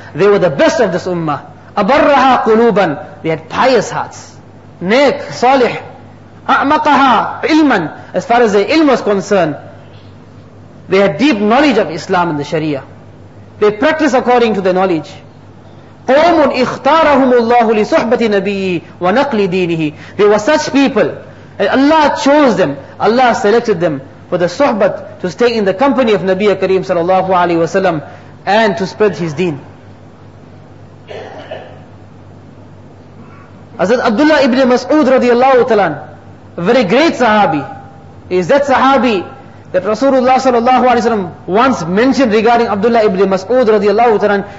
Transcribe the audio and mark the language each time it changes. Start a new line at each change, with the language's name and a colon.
English: They were the best of this ummah.
Arabic: Abarraha quluban.
English: They had pious hearts. Nek, salih.
Arabic: A'maqaha ilman.
English: As far as their ilm was concerned, they had deep knowledge of Islam and the Sharia. They practice according to their knowledge.
Arabic: قوم اختارهم الله لصحبة نبيه ونقل دينه.
English: They were such people. Allah chose them. Allah selected them for the suhbat, to stay in the company of Nabiya Kareem sallallahu alayhi wasallam and to spread his deen. Hazrat Abdullah ibn Mas'ud radiallahu ta'ala, a very great sahabi, is that sahabi that Rasulullah sallallahu alayhi wasallam once mentioned regarding Abdullah ibn Mas'ud radiallahu ta'ala.